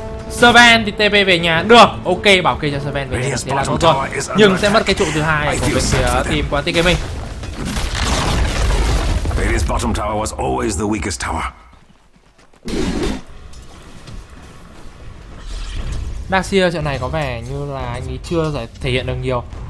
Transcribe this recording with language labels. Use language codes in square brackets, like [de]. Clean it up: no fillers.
[vi] Sven thì TP về nhà được. Ok, bảo kê cho Sven về nhà. Thế là đúng rồi. Nhưng sẽ mất cái trụ thứ hai của bên phía team Quantic Gaming. [en] Radiant's bottom tower was always the weakest tower. [vi] Darkseer trận này có vẻ như là anh ấy chưa thể hiện được nhiều.